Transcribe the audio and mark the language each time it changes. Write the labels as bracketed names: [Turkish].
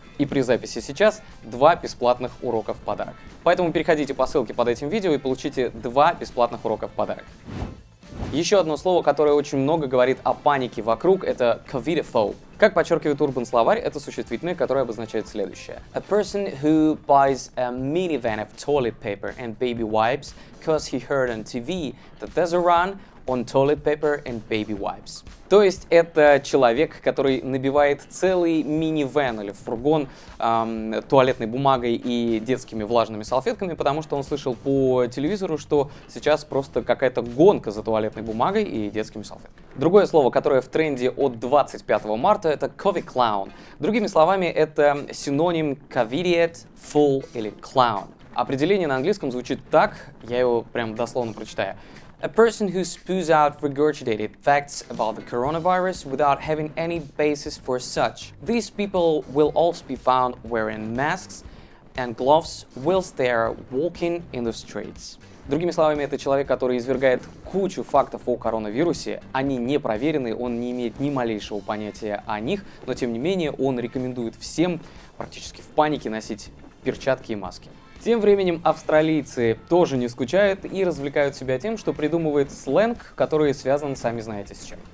[Russian] И при записи сейчас два бесплатных урока в подарок. Поэтому переходите по ссылке под этим видео и получите два бесплатных урока в подарок. Еще одно слово, которое очень много говорит о панике вокруг, это COVID-phobe. Как подчеркивает Urban Словарь, это существительное, которое обозначает следующее. [English] A person who buys a minivan of toilet paper and baby wipes because he heard on TV that there's a run on toilet paper and baby wipes. [Russian] То есть это человек, который набивает целый минивэн или фургон туалетной бумагой и детскими влажными салфетками, потому что он слышал по телевизору, что сейчас просто какая-то гонка за туалетной бумагой и детскими салфетками. Другое слово, которое в тренде от 25 марта, это COVID clown. Другими словами, это синоним COVID fool или clown. Определение на английском звучит так, я его прям дословно прочитаю. [English] A person who spews out regurgitated facts about the coronavirus without having any basis for such. These people will also be found wearing masks and gloves whilst they are walking in the streets. [Russian] Другими словами, это человек, который извергает кучу фактов о коронавирусе. Они не проверены, он не имеет ни малейшего понятия о них, но тем не менее он рекомендует всем практически в панике носить перчатки и маски. Тем временем австралийцы тоже не скучают и развлекают себя тем, что придумывают сленг, который связан, сами знаете, с чем.